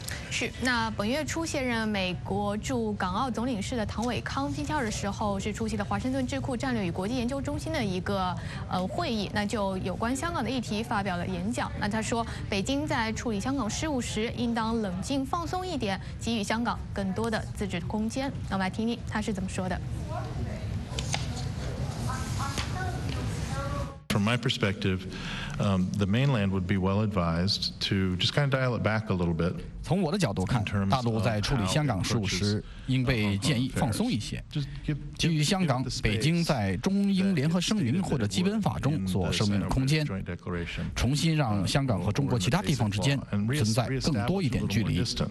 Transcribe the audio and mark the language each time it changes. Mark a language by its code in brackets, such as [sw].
[zh] 是，那本月初卸任美国驻港澳总领事的唐伟康，星期二的时候是出席了华盛顿智库战略与国际研究中心的一个会议，那就有关香港的议题发表了演讲。那他说，北京在处理香港事务时，应当冷静放松一点，给予香港更多的自治空间。那我们来听听他是怎么说的。 [en] From my perspective, the mainland would be well advised to just kind of dial it back a little bit. [zh] 从我的角度看，大陆在处理香港事务时，应被建议放松一些，给予香港、北京在中英联合声明或者基本法中所声明的空间，重新让香港和中国其他地方之间存在更多一点距离。